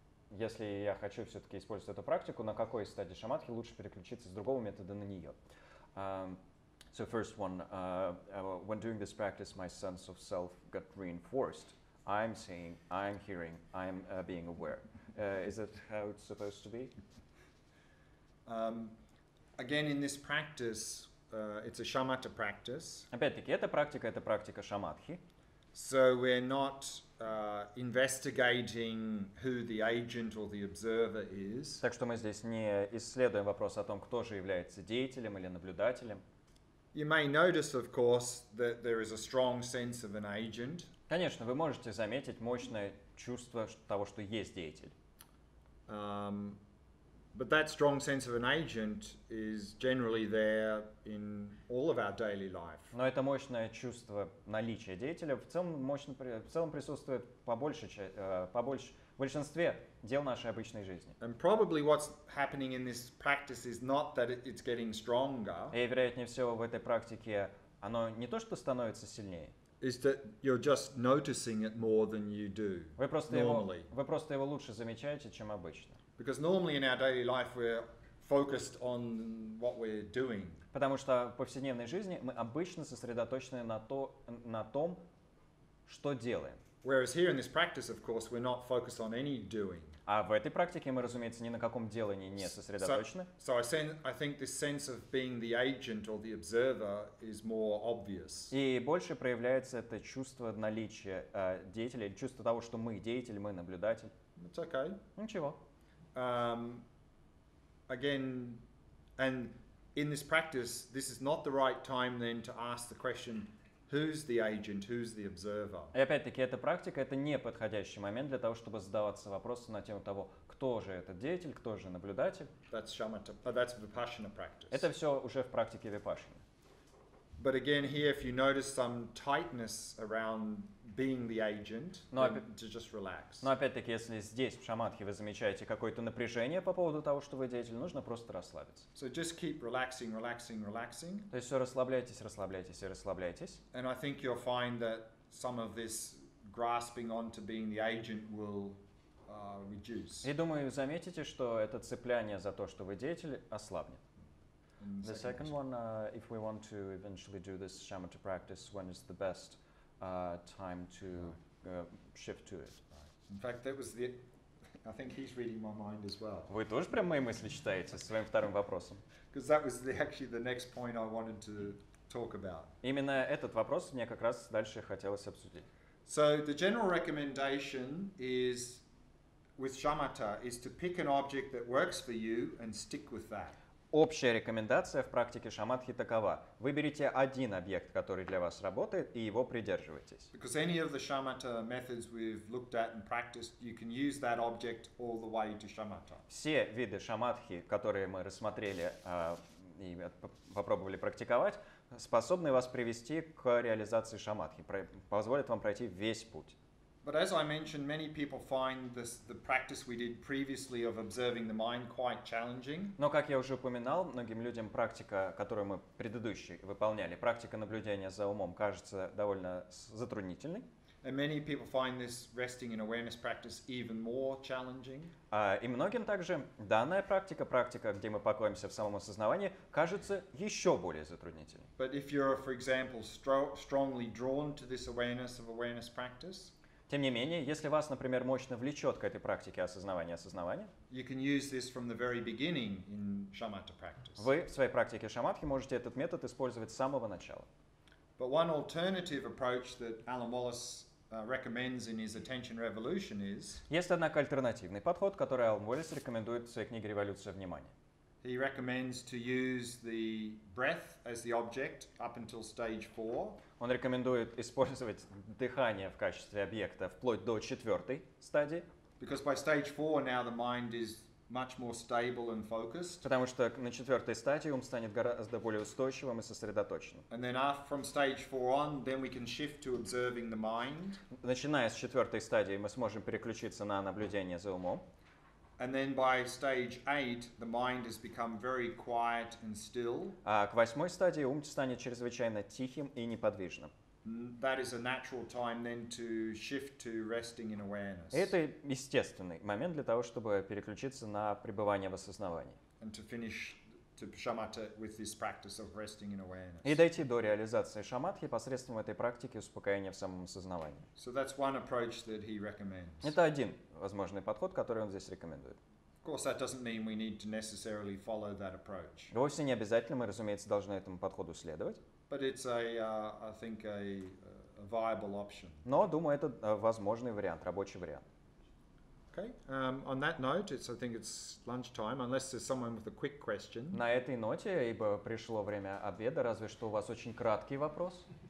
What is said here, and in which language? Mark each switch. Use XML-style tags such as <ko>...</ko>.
<ru>Если я хочу все-таки использовать эту практику, на какой стадии шамадхи лучше переключиться с другого метода на нее?</ru> <en>So first one, when doing this practice, my sense of self got reinforced. I'm seeing, I'm hearing, I'm being aware. Is that how it's supposed to be? Again, in this practice, it's a shamatha practice.</en> <ru>Опять-таки, эта практика — это практика шаматхи.</ru> <en>So we're not investigating who the agent or the observer is.</en> <ru>Так что мы здесь не исследуем вопрос о том, кто же является деятелем или наблюдателем.</ru> <en>You may notice, of course, that there is a strong sense of an agent.</en> <ru>Конечно, вы можете заметить мощное чувство того, что есть деятель.</ru> <en>But that strong sense of an agent is generally there in all of our daily life.</en> <ru>Но это мощное чувство наличия деятеля в целом присутствует в большинстве дел нашей обычной жизни.</ru> <en>And probably what's happening in this practice is not that it's getting stronger.</en> <ru>И вероятнее всего в этой практике оно не то что становится сильнее.</ru> <en>Is that you're just noticing it more than you do normally.</en> <ru>Вы просто его лучше замечаете, чем обычно.</ru> <en>Because normally in our daily life we're focused on what we're doing.</en> <ru>Потому что в повседневной жизни мы обычно сосредоточены на том, что делаем.</ru> <en>Whereas here in this practice, of course, we're not focused on any doing.</en> <ru>А в этой практике мы, разумеется, ни на каком делании не сосредоточены.</ru> <en>I think this sense of being the agent or the observer is more obvious.</en> <ru>И больше проявляется это чувство наличия деятеля, чувство того, что мы деятель, мы наблюдатель.</ru> <en>It's okay.</en> <ru>Ничего.</ru> <en>Again, and in this practice, this is not the right time then to ask the question, who's the agent, who's the observer?</en> <ru>И опять-таки, эта практика — это не подходящий момент для того, чтобы задаваться вопросом на тему того, кто же этот деятель, кто же наблюдатель.</ru> <en>That's shamatha, that's vipassana practice.</en> <ru>Это все уже в практике випашаны.</ru> <en>But again, here, if you notice some tightness around being the agent, to just relax.</en> <ru>Но опять-таки, если здесь, в шаматхе, вы замечаете какое-то напряжение по поводу того, что вы деятель, нужно просто расслабиться.</ru> <en>So just keep relaxing, relaxing, relaxing.</en> <ru>То есть все расслабляйтесь, расслабляйтесь и расслабляйтесь.</ru> <en>And I think you'll find that some of this grasping onto being the agent will reduce.</en> <ru>И думаю, заметите, что это цепляние за то, что вы деятель, ослабнет.</ru> <en>The second one, if we want to eventually do this shamatha practice, when is the best time to shift to it? In fact, that was the. I think he's reading my mind as well.</en> <ru>Вы тоже прям мои мысли читаете со своим вторым вопросом?</ru> <en>Because that was actually the next point I wanted to talk about.</en> <ru>Именно этот вопрос мне как раз дальше хотелось обсудить.</ru> <en>So the general recommendation is. With shamatha is to pick an object that works for you and stick with that.</en> <ru>Общая рекомендация в практике шаматхи такова. Выберите один объект, который для вас работает, и его придерживайтесь.</ru> <en>Because any of the shamatha methods we've looked at and practiced, you can use that object all the way to shamatha.</en> <ru>Все виды шаматхи, которые мы рассмотрели и попробовали практиковать, способны вас привести к реализации шаматхи, позволят вам пройти весь путь.</ru> <en>But as I mentioned, many people find the practice we did previously of observing the mind quite challenging.</en> <ru>Но как я уже упоминал, многим людям практика, которую мы предыдущие выполняли, практика наблюдения за умом, кажется довольно затруднительной.</ru> <en>And many people find this resting in awareness practice even more challenging.</en> <ru>И многим также данная практика, где мы покоимся в самом осознавании, кажется еще более затруднительной.</ru> <en>But if you're, for example, strongly drawn to this awareness of awareness practice.</en> <ru>Тем не менее, если вас, например, мощно влечет к этой практике осознавания-осознавания,</ru> <en>you can use this from the very beginning in shamatha practice.</en> <ru>Вы в своей практике шаматхи можете этот метод использовать с самого начала.</ru> <en>But one alternative approach that Alan Wallace recommends in his Attention Revolution is...</en> <ru>Есть, однако, альтернативный подход, который Алан Уоллес рекомендует в своей книге «Революция внимания».</ru> <en>He recommends to use the breath as the object up until stage 4.</en> <ru>Он рекомендует использовать дыхание в качестве объекта вплоть до четвертой стадии.</ru> <en>Because by stage 4 now the mind is much more stable and focused.</en> <ru>Потому что на четвертой стадии ум станет гораздо более устойчивым и сосредоточенным.</ru> <en>And then after, from stage 4 on, then we can shift to observing the mind.</en> <ru>Начиная с четвертой стадии, мы сможем переключиться на наблюдение за умом.</ru> <en>And then by stage 8, the mind has become very quiet and still.</en> <ru>А к восьмой стадии ум станет чрезвычайно тихим и неподвижным.</ru> <en>That is a natural time then to shift to resting in awareness.</en> <ru>Это естественный момент для того, чтобы переключиться на пребывание в осознавании.</ru> <en>And to finish to shamatha with this practice of resting in awareness.</en> <ru>И дойти до реализации шаматхи посредством этой практики успокоения в самом сознании.</ru> <en>So that's one approach that he recommends.</en> <ru>Это один возможный подход, который он здесь рекомендует.</ru> <en>Of course, that doesn't mean we need to necessarily follow that approach.</en> <ru>Вовсе не обязательно, мы, разумеется, должны этому подходу следовать.</ru> <en>But it's a viable option.</en> <ru>Но, думаю, это возможный вариант, рабочий вариант.</ru> <en>Okay. On that note, I think it's lunchtime, unless there's someone with a quick question.</en> <ru>На этой ноте, ибо пришло время обеда, разве что у вас очень краткий вопрос?</ru>